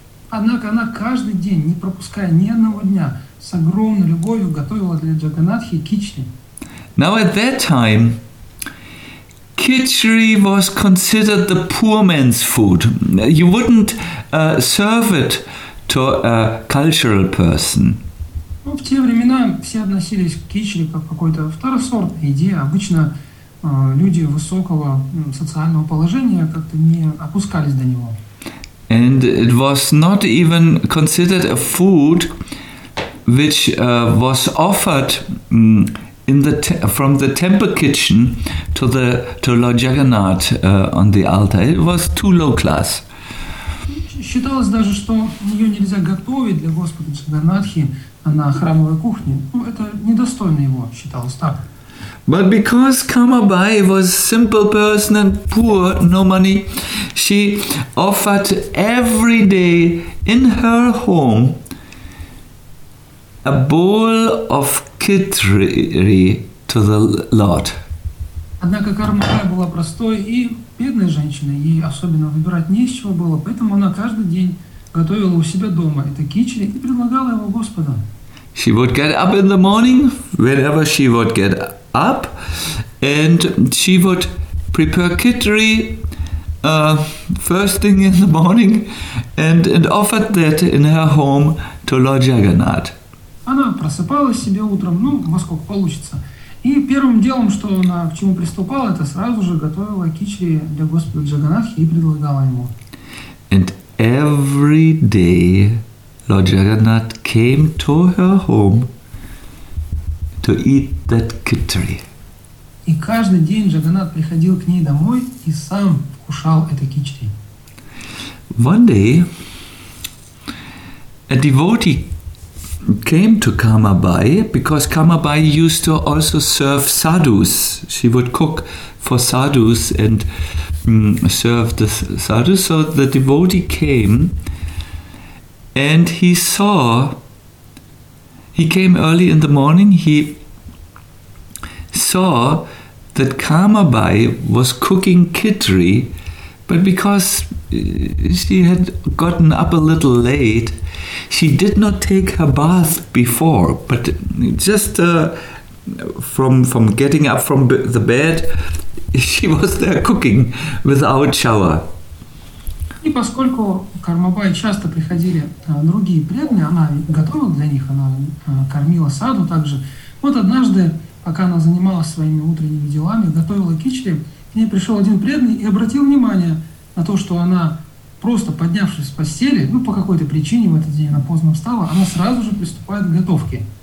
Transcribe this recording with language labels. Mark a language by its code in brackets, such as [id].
[ru] Однако она каждый день, не пропуская ни одного дня, с огромной любовью готовила для Джаганнатхи khichdi. [en] Now at that time, khichdi was considered the poor man's food. You wouldn't serve it to a cultural person. [ru] Ну, в те времена все относились к кичли как какой-то второсортной идее. Обычно люди высокого социального положения как-то не опускались до него. [en] And it was not even considered a food which was offered in the from the temple kitchen to Lord Jagannath on the altar. It was too low class. [ru] Считалось даже, что ее нельзя готовить для Господа Джаганнатхи на храмовой кухне. Ну, это недостойно его, считалось так. [en] But because Kamabai was a simple person and poor, no money, she offered every day in her home a bowl of khichdi to the Lord. [ru] Однако Кармабай была простой и бедной женщиной, ей особенно выбирать не из чего было, поэтому она каждый день готовила у себя дома это кичли и предлагала его Господу. [en] She would get up in the morning, whenever she would get up, and she would prepare khichdi first thing in the morning and offered that in her home to Lord Jagannath. [ru] Она просыпалась себе утром, ну, во сколько получится. И первым делом, что она к чему приступала, это сразу же готовила кичли для Господа Джаганнатхи и предлагала ему. [en] And every day Lord Jagannath came to her home to eat that khichdi. [ru] И каждый день Джаганнат приходил к ней домой и сам вкушал это кичли. [en] One day a devotee came to Kamabai because Kamabai used to also serve sadhus. She would cook for sadhus and serve the sadhus. So the devotee came and he came early in the morning, he saw that Kamabai was cooking khichdi, but because she had gotten up a little late, she did not take her bath before, but just from getting up from the bed, she was there cooking without shower. [ru] И поскольку Кармабай часто приходили другие преданные, она готовила для них, она кормила саду также. Вот однажды, пока она занималась своими утренними делами, готовила кичли, к ней пришел один преданный и обратил внимание на то, что она, просто поднявшись с постели, ну, по какой-то причине в этот день она поздно встала, она сразу же приступает к готовке.